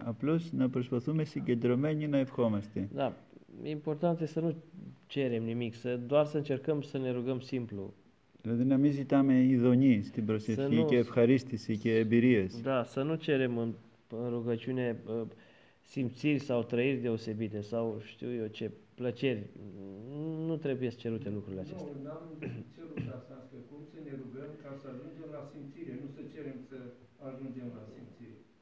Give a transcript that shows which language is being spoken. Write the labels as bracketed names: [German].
[Greek] Απλώς να προσπαθούμε συγκεντρωμένοι να ευχόμαστε. [Romanian] Να, important este să nu cerem nimic, doar să încercăm să ne rugăm simplu. [Greek] Δηλαδή να μην ζητάμε ειδονή στην προσευχή και ευχαρίστηση και εμπειρίες. [Romanian] Da, să nu cerem în rugăciune simțiri sau trăiri deosebite sau știu eu ce plăceri. Nu trebuie să cerute lucrurile acestea. Nu, n-am cerut asta, că cum să ne rugăm ca să ajungem la simțire, nu să cerem să ajungem la simțire.